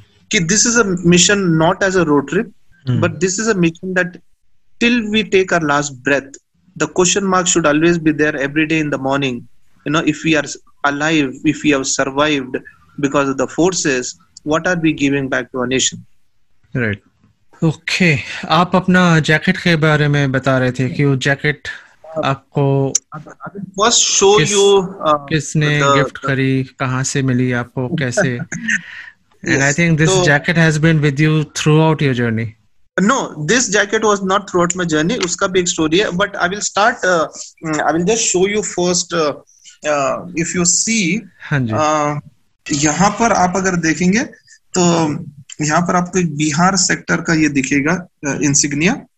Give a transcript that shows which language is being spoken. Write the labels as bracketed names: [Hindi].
[English] This is a mission not as a road trip, but this is a mission that till we take our last breath, the question mark should always be there every day in the morning. You know, if we are alive, if we have survived because of the forces, what are we giving back to our nation? Right. Okay. [Hindi] आप अपना jacket के बारे में बता रहे थे कि वो jacket आपको [English] first show [Hindi] किस, [English] you [Hindi] किसने gift करी, कहाँ से मिली आपको, कैसे? [English] And yes. I think this jacket has been with you throughout your journey. No, this jacket was not throughout my journey. [Hindi] Uska big story hai, [English] but I will start. I will just show you first. If you see, [Hindi] यहाँ पर आप अगर देखेंगे, तो यहाँ पर आपको Bihar sector का ये दिखेगा इंसिग्निया.